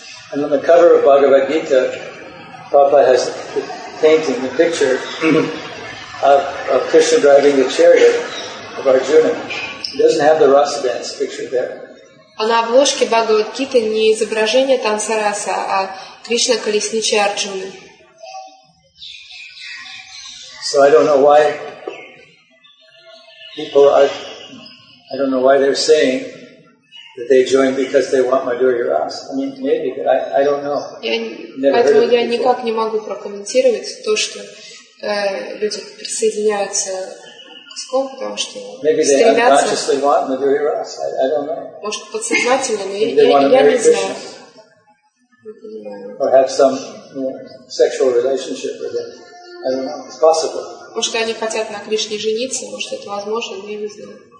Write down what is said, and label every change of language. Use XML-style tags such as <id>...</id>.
<en>And on the cover of Bhagavad Gita, Prabhupada has the painting, the picture of Krishna driving the chariot of Arjuna. He doesn't have the rasa dance picture there.</en> <ru>А на обложке Бхагавад Гиты не изображение танца расы, а Кришна колесничая Арджуны.</ru> <en>So I don't know why people are, I don't know why they're saying that they join because they want Madhurya Rasa. I mean, maybe, but I don't know.</en> <ru>Поэтому я никак не могу прокомментировать то, что люди присоединяются к СКОМ, потому что стремятся. Может, подсознательно, но я не знаю.</ru> <en>Or have some sexual relationship with him. I don't know. It's possible.</en> <ru>Может, они хотят на Кришне жениться, может, это возможно, но я не знаю.</ru>